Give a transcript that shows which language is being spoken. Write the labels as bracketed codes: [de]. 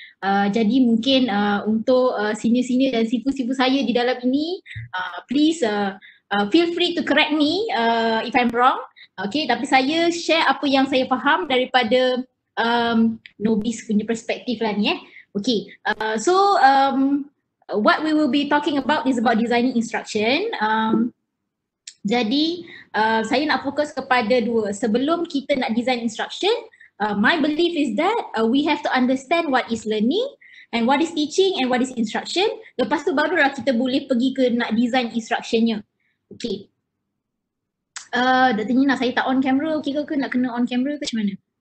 [ms] Jadi mungkin untuk senior-senior dan sibu-sibu saya di dalam ini, [en] please feel free to correct me if I'm wrong. [ms] Okay, tapi saya share apa yang saya faham daripada novice punya perspektif lah ni eh. [en] Okay, so what we will be talking about is about designing instruction. [ms] Jadi saya nak fokus kepada dua. Sebelum kita nak [en] design instruction, my belief is that we have to understand what is learning and what is teaching and what is instruction. [ms] Lepas tu barulah kita boleh pergi ke nak design instructionnya. Okay. Dr. Nina, saya tak on camera. Okay ke nak kena on camera ke macam mana?